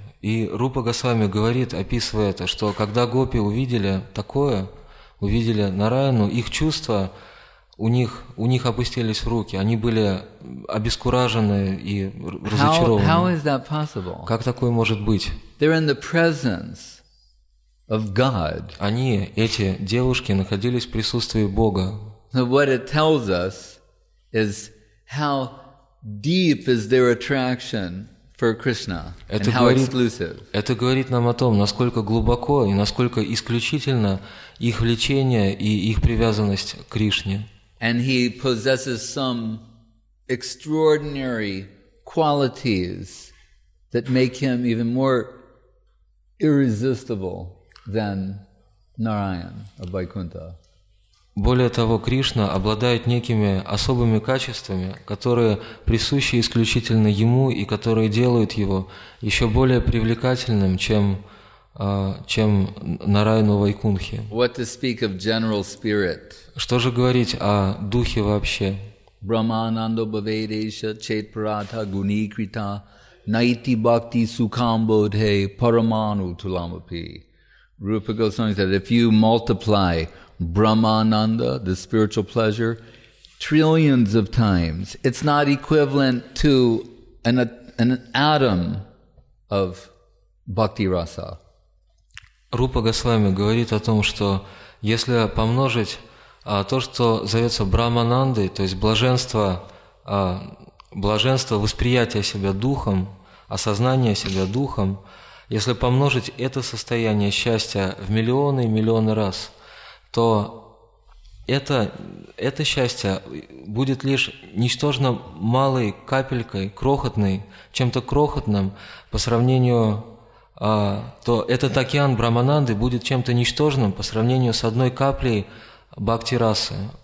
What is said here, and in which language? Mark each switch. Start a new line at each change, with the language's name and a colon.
Russian: И Рупа Госвами говорит, описывая это, что когда гопи увидели такое, увидели Нараяну, их чувства, у них опустились руки, они были обескуражены и разочарованы.
English: How is that possible?
Russian: Как такое может быть?
English: They're in the presence of God.
Russian: Они, эти девушки, находились в присутствии Бога.
English: So what it tells us is how deep is their attraction for Krishna and how exclusive.
Russian: Это говорит нам о том, насколько глубоко и насколько исключительно их влечение и их привязанность к Кришне.
English: And he possesses some extraordinary qualities that make him even more irresistible than Narayan of Vaikuntha.
Russian: Более того, Кришна обладает некими особыми качествами, которые присущи исключительно ему и которые делают его еще более привлекательным, чем Нараяну Вайкунтхи.
English: What to speak of general spirit?
Russian: Что же говорить о духе вообще?
Sanskrit: Брахманандо бхавейдеша чейтпаратха гуникрита найти бхакти сукам бодхе параману туламапи.
English: Rupa Goswami said, if you multiply Brahmananda, the spiritual pleasure, trillions of times, it's not equivalent to an atom of bhakti rasa.
Russian: Rupa Goswami говорит о том, что если помножить то, что зовется Брахманандой, то есть блаженство, блаженство восприятия себя духом, осознание себя духом, если помножить это состояние счастья в миллионы и миллионы раз, то это счастье будет лишь ничтожно малой капелькой, крохотной, чем-то крохотным по сравнению, то этот океан Брахмананды будет чем-то ничтожным по сравнению с одной каплей бхакти-расы.